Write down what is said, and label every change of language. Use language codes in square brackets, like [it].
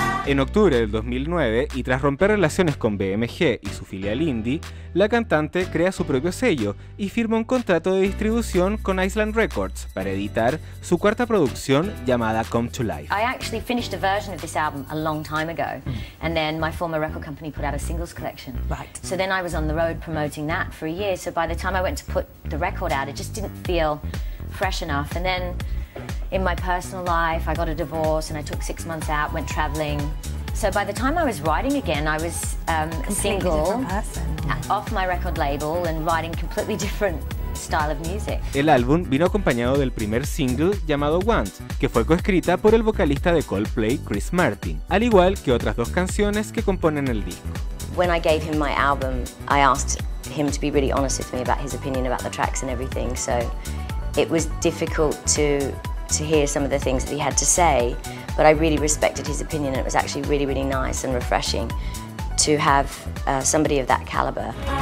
[es] En octubre del 2009, y tras romper relaciones con BMG y su filial Indie, la cantante crea su propio sello y firma un contrato de distribución con Island Records para editar su cuarta producción llamada Come to Life. [en] I actually finished a version of this album a long time ago, and then my former record company put out a singles collection. Right. So then I was on the road promoting that for a year, so by the time I went to put the record out, it just didn't feel fresh enough, and then in my personal life, I got a divorce and I took 6 months out, went traveling. So by the time I was writing again, I was single, off my record label and writing completely different style of music. [es] El álbum vino acompañado del primer single llamado Want, que fue coescrita por el vocalista de Coldplay, Chris Martin, al igual que otras dos canciones que componen el disco. [en] When I gave him my album, I asked him to be really honest with me about his opinion about the tracks and everything. So it was difficult to hear some of the things that he had to say, but I really respected his opinion, and it was actually really, really nice and refreshing to have somebody of that caliber.